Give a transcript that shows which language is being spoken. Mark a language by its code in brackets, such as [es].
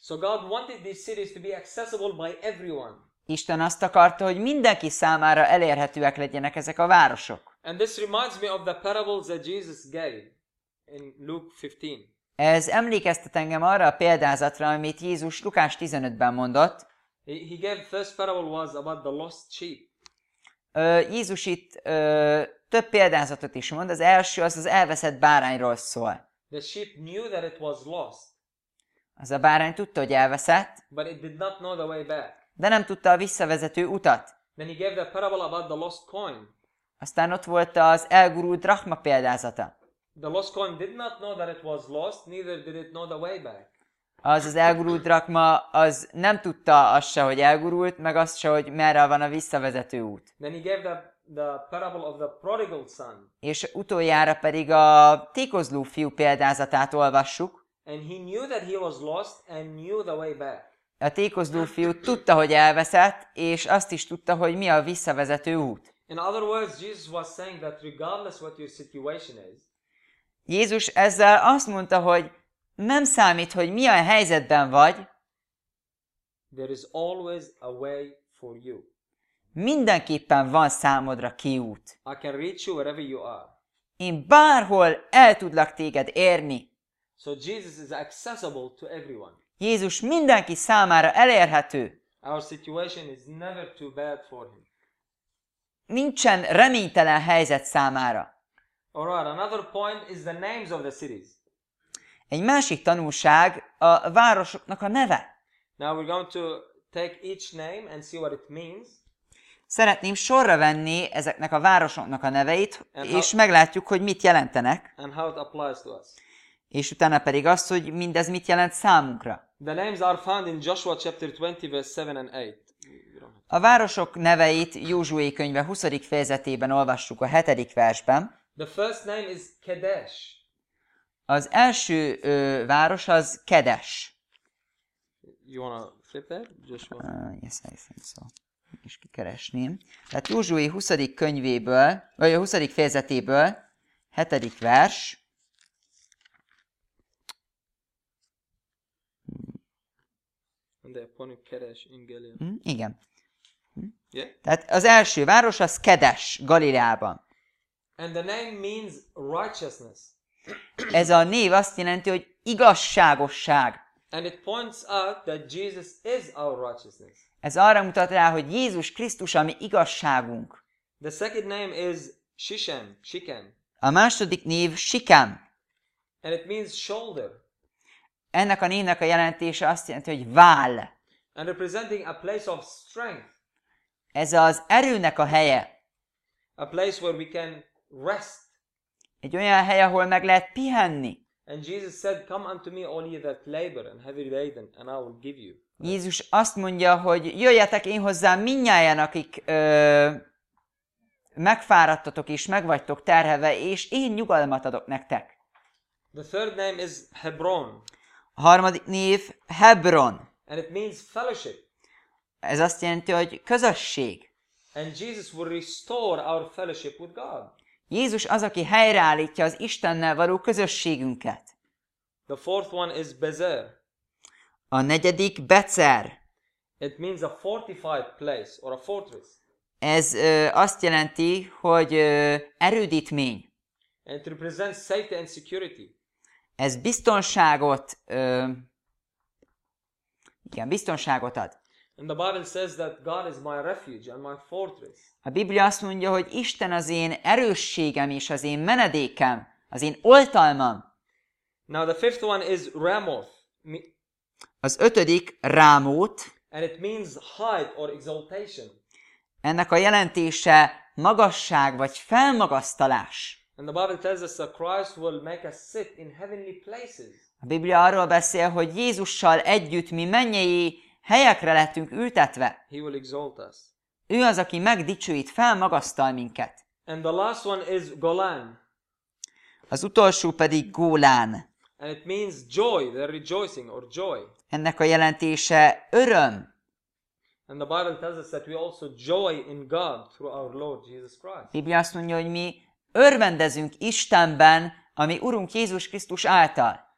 [en] So God wanted these cities to be accessible by everyone. [hu] Isten azt akarta, hogy mindenki számára elérhetőek legyenek ezek a városok. [en] And this reminds me of the parables that Jesus gave in Luke 15. [hu] Ez emlékeztet engem arra a példázatra, amit Jézus Lukás 15-ben mondott. [en] He gave the first parable was about the lost sheep. [hu] Jézus itt több példázatot is mond, az első az az elveszett bárányról szól. [en] The sheep knew that it was lost. [hu] Az a bárány tudta, hogy elveszett, [en] but it did not know the way back. [hu] De nem tudta a visszavezető utat. [en] Then he gave the parable about the lost coin. [hu] Aztán ott volt az elgurult drachma példázata. [en] The lost coin did not know that it was lost, neither did it know the way back. [hu] Az elgurult drachma, az nem tudta azt se, hogy elgurult, meg azt se, hogy merre van a visszavezető út. [en] Then he gave the parable of the prodigal son. [hu] És utoljára pedig a tékozló fiú példázatát olvassuk. [en] And he knew that he was lost and knew the way back. [hu] A tékozló fiú tudta, hogy elveszett, és azt is tudta, hogy mi a visszavezető út. [en] In other words, Jesus was saying that regardless what your situation is, [hu] Jézus ezzel azt mondta, hogy nem számít, hogy milyen helyzetben vagy, [en] there is always a way for you. [hu] Mindenképpen van számodra kiút. [en] I can reach you wherever you are. [hu] Én bárhol el tudlak téged érni. [en] So Jesus is accessible to everyone. [hu] Jézus mindenki számára elérhető. [en] Our situation is never too bad for him. [hu] Nincsen reménytelen helyzet számára. [en] All right, another point is the names of the cities. [hu] Egy másik tanulság a városoknak a neve. [en] Now we're going to take each name and see what it means. [hu] Szeretném sorra venni ezeknek a városoknak a neveit, és meglátjuk, hogy mit jelentenek. [en] And how it applies to us. [hu] És utána pedig azt, hogy mindez mit jelent számunkra. [en] The names are found in Joshua chapter 20 verse 7 and 8. [hu] A városok neveit Józsué könyve 20. fejezetében olvassuk a 7. versben. [en] The first name is Kedesh. [hu] Az első város az Kedesh. [en] You wanna flip that, Joshua? Yes, I think so. [hu] És kikeresném. Tehát Józsué 20. könyvéből, vagy a 20. fejezetéből 7. vers. De pont Kedesh in Galilea. Igen. [en] Yeah. [hu] Tehát az első város az Kedesh, Galileában. [en] And the name means righteousness. [hu] Ez a név azt jelenti, hogy igazságosság. [en] And it points out that Jesus is our righteousness. [hu] Ez arra mutat rá, hogy Jézus Krisztus a mi igazságunk. [en] The second name is Shishem, Shikem. [hu] A második név Shikem. [en] And it means shoulder. [hu] Ennek a névnek a jelentése azt jelenti, hogy váll. [en] And representing a place of strength. [hu] Ez az erőnek a helye. [en] A place where we can rest. [hu] Egy olyan hely, ahol meg lehet pihenni. [en] And Jesus said, come unto me all ye that labor and heavy laden, and I will give you. [hu] Jézus azt mondja, hogy jöjjetek én hozzám mindnyájan, akik megfáradtatok és megvagytok terheve, és én nyugalmat adok nektek. [en] The third name is Hebron. [hu] A harmadik név Hebron. [en] And it means fellowship. [hu] Ez azt jelenti, hogy közösség. [en] And Jesus will restore our fellowship with God. [hu] Jézus az, aki helyreállítja az Istennel való közösségünket. [en] The fourth one is Bezer. [hu] A negyedik Becer. [en] It means a fortified place or a fortress. [hu] Ez azt jelenti, hogy erődítmény. [en] And it represents safety and security. [hu] Ez biztonságot, igen, biztonságot ad. [en] And the Bible says that God is my refuge and my fortress. [hu] A Biblia azt mondja, hogy Isten az én erősségem és az én menedékem, az én oltalmam. [en] Now the fifth one is Ramoth. [hu] Az ötödik Rámót. [en] And it means height or exaltation. [hu] Ennek a jelentése magasság vagy felmagasztalás. [en] And the Bible tells us that Christ will make us sit in heavenly places. [hu] A Biblia arról beszél, hogy Jézussal együtt mi mennyei helyekre lettünk ültetve. [en] He will exalt us. [hu] Ő az, aki megdicsőít, felmagasztal minket. [en] And the last one is Golan. [hu] Az utolsó pedig Gólán. [en] And it means joy, the rejoicing or joy. [hu] Ennek a jelentése öröm. [en] And the Bible tells us that we also joy in God through our Lord Jesus Christ. [hu] A Biblia azt mondja, hogy mi örvendezünk Istenben, ami Urunk Jézus Krisztus által.